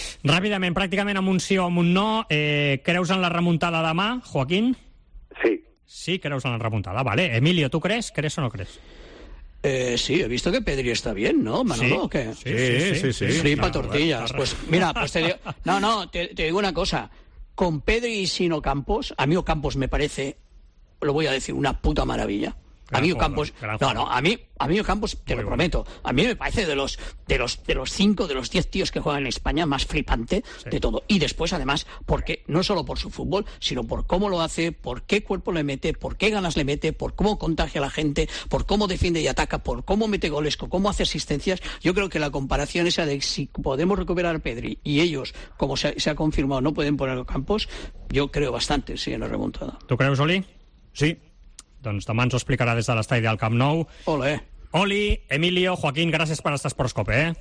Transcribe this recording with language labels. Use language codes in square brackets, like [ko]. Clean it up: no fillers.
[ca] Ràpidament, pràcticament amb un sí o amb un no, creus en la remuntada demà, Joaquín? Sí. Sí, creus en la remuntada, vale. Emilio, tu creus? Creus o no creus? [es] Sí, he visto que Pedri está bien, ¿no, Manolo? Sí, ¿o qué? Sí. Flipa tortillas. Claro. Pues mira, pues te digo... te digo una cosa. Con Pedri y sin Ocampos, a mí Ocampos me parece... lo voy a decir, una puta maravilla. A mí Ocampos, te lo prometo. A mí me parece de los 5, de los 10 tíos que juegan en España, más flipante de todo. Y después, además, porque no solo por su fútbol, sino por cómo lo hace, por qué cuerpo le mete, por qué ganas le mete, por cómo contagia a la gente, por cómo defiende y ataca, por cómo mete goles, por cómo hace asistencias. Yo creo que la comparación esa de si podemos recuperar a Pedri y ellos, como se ha confirmado, no pueden poner a Ocampos, yo creo bastante, sí, en la remontada. ¿Tú crees, Oli? Sí. [ca] Doncs demà ens ho explicarà des de l'estadi del Camp Nou. Olé. Oli, Emilio, Joaquín, gràcies per estar Esportscope,